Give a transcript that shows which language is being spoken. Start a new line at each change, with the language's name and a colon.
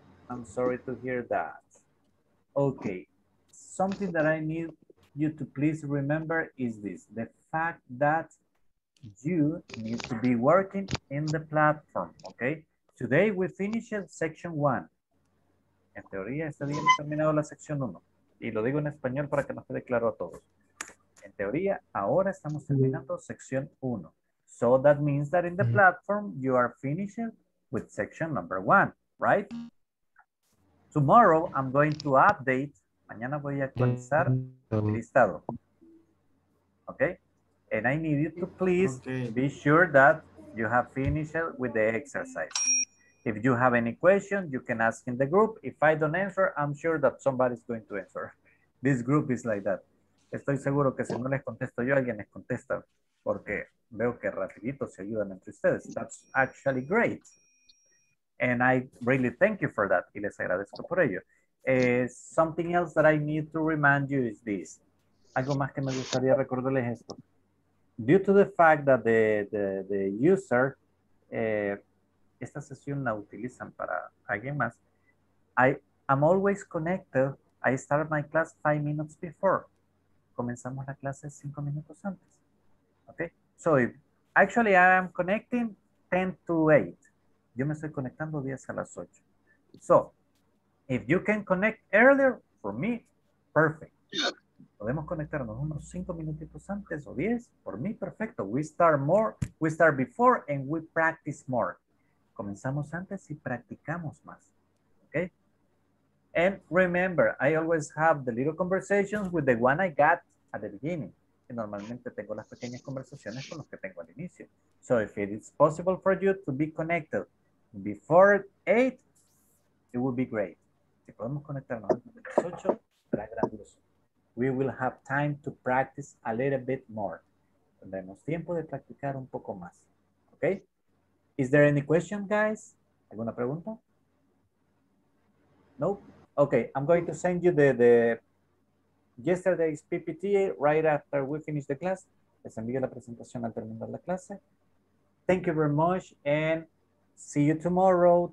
English: I'm sorry to hear that. Okay. Something that I need you to please remember is this. The fact that you need to be working in the platform, okay? Today we finished section one.
Spanish: En teoría, este día hemos terminado la sección uno. Y lo digo en español para que nos quede claro a todos. En teoría, ahora estamos terminando sección uno.
English: So that means that in the platform, you are finishing with section number one, right? Tomorrow, I'm going to update.
Spanish: Mañana voy a actualizar el listado.
English: Okay? And I need you to please be sure that you have finished with the exercise. If you have any question, you can ask in the group. If I don't answer, I'm sure that somebody's going to answer. This group is like that.
Spanish: Estoy seguro que si no les contesto yo, alguien les contesta. Porque veo que rapidito se ayudan entre ustedes.
English: That's actually great. And I really thank you for that.
Spanish: Y les agradezco por ello.
English: Something else that I need to remind you is this.
Spanish: Algo más que me gustaría recordarles es esto.
English: Due to the fact that the user,
Spanish: esta sesión la utilizan para alguien más,
English: I'm always connected. I start my class 5 minutes before.
Spanish: Comenzamos la clase 5 minutos antes.
English: Okay? So, if, actually, I'm connecting 10 to 8.
Spanish: Yo me estoy conectando 10 a las 8.
English: So, if you can connect earlier, for me, perfect.
Spanish: Podemos conectarnos unos 5 minutitos antes o 10. Por mí, perfecto.
English: We start more, we start before and we practice more.
Spanish: Comenzamos antes y practicamos más.
English: Okay? And remember, I always have the little conversations with the one I got at the beginning.
Spanish: Y normalmente tengo las pequeñas conversaciones con los que tengo al inicio.
English: So if it is possible for you to be connected before 8, it would be great.
Spanish: Si podemos conectarnos antes de las 8, será grandioso.
English: We will have time to practice a little bit more.
Spanish: Tendremos tiempo de practicar un poco más. Okay?
English: Is there any question, guys?
Spanish: ¿Alguna pregunta? Nope.
English: Okay, I'm going to send you the yesterday's PPT right after we finish the class.
Spanish: Les envío la presentación al terminar la clase.
English: Thank you very much and see you tomorrow.